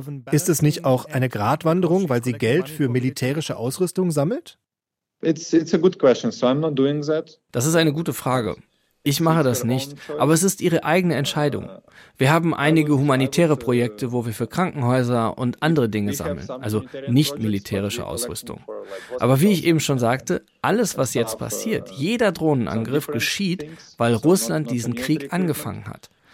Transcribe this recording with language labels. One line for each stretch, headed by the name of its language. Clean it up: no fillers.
German: Ist es nicht auch eine Gratwanderung, weil sie Geld für militärische Ausrüstung sammelt?
English: It's a good question, so I'm not doing that.
German: Das ist eine gute Frage. Ich mache das nicht, aber es ist ihre eigene Entscheidung. Wir haben einige humanitäre Projekte, wo wir für Krankenhäuser und andere Dinge sammeln, also nicht militärische Ausrüstung. Aber wie ich eben schon sagte, alles, was jetzt passiert, jeder Drohnenangriff geschieht, weil Russland diesen Krieg angefangen hat.